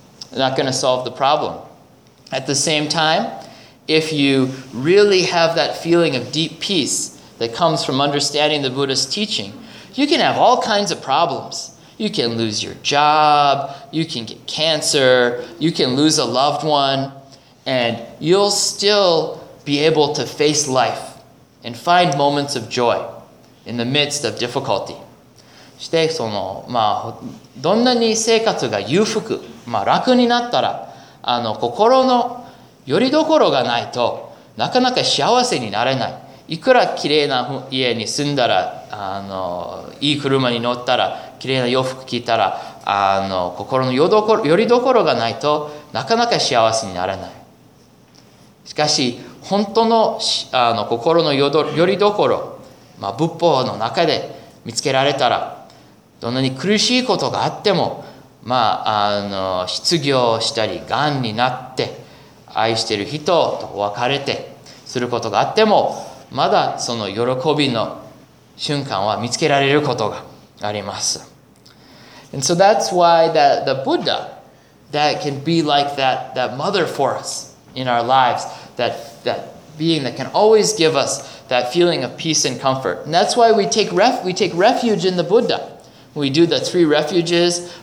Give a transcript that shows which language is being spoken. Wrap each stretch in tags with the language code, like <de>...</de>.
<en>Not going to solve the problem. At the same time, if you really have that feeling of deep peace that comes from understanding the Buddha's teaching, you can have all kinds of problems. You can lose your job, you can get cancer, you can lose a loved one, and you'll still be able to face life and find moments of joy in the midst of difficulty.</en> <ja>して、その、まあ、どんなに生活が裕福、まあ、楽になったら、あの、心の拠り所がないと、なかなか幸せになれない。いくら綺麗な家に住んだら、あの、いい車に乗ったら、綺麗な洋服着たら、あの、心の拠り所がないと、なかなか幸せになれない。しかし、本当の、あの、心の拠り所、まあ、仏法の中で見つけられたら、どんなに苦しいことがあっても、まあ、あの、失業したり、癌になって、愛している人と別れてすることがあっても、まだその喜びの瞬間は見つけられることがあります。</ja> <en>And so that's why that the Buddha that can be like that, that mother for us in our lives, that, that being that can always give us that feeling of peace and comfort. And that's why we take refuge in the Buddha. We do the three refuges.</en>